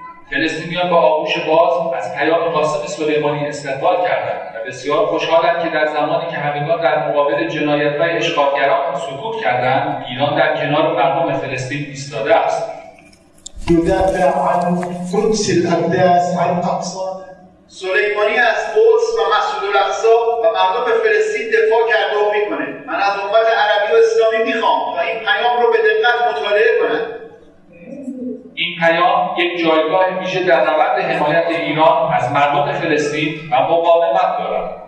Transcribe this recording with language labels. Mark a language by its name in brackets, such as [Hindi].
[Persian] فلسطینیان با آغوش باز از پیام قاسم سلیمانی استقبال کردند و بسیار خوشحالند که در زمانی که همگان در مقابل جنایت و اشغالگران سکوت کردند، ایران در کنار مردم فلسطین ایستاده است. [Arabic] یودافع عن قدس الاقداس عن اقصا. [Persian] سلیمانی از قدس و مسجد الاقصا و مردم فلسطین دفاع کرده و میکنه. من از امت عربی و اسلامی میخوام و این پیام رو به دقت مطالعه کنند. این پیام یک جایگاه میشه در نبرد حمایت ایران از مردم فلسطین و مقاومت دارد.